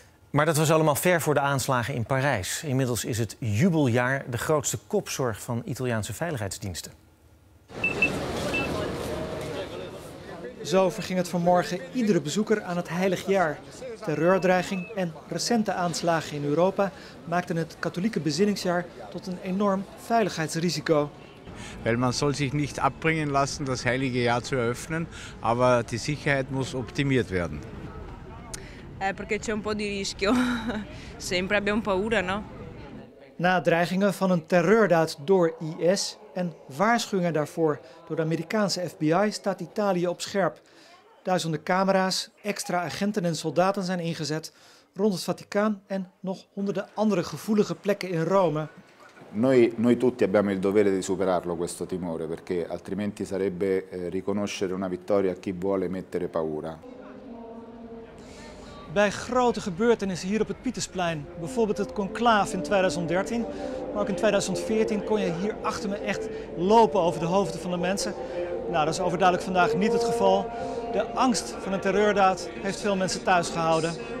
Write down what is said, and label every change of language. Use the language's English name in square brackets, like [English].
[Dutch] Maar dat was allemaal ver voor de aanslagen in Parijs. Inmiddels is het jubeljaar de grootste kopzorg van Italiaanse veiligheidsdiensten. Zo verging het vanmorgen iedere bezoeker aan het heilig jaar. Terreurdreiging en recente aanslagen in Europa maakten het katholieke bezinningsjaar tot een enorm veiligheidsrisico. [German] Weil man soll sich nicht abbringen lassen, das heilige Jahr zu eröffnen, aber die Sicherheit muss optimiert werden. [Italian] Perché c'è un po' di rischio. Sempre abbiamo paura, no? [Dutch] Na dreigingen van een terreurdaad door IS en waarschuwingen daarvoor door de Amerikaanse FBI staat Italië op scherp. Duizenden camera's, extra agenten en soldaten zijn ingezet rond het Vaticaan en nog honderden andere gevoelige plekken in Rome. [Italian] Noi tutti abbiamo il dovere di superarlo questo timore, perché altrimenti sarebbe riconoscere una vittoria a chi vuole mettere paura. [Dutch] Bij grote gebeurtenissen hier op het Pietersplein, bijvoorbeeld het conclave in 2013, maar ook in 2014 kon je hier achter me echt lopen over de hoofden van de mensen. Nou, dat is overduidelijk vandaag niet het geval. De angst van een terreurdaad heeft veel mensen thuis gehouden.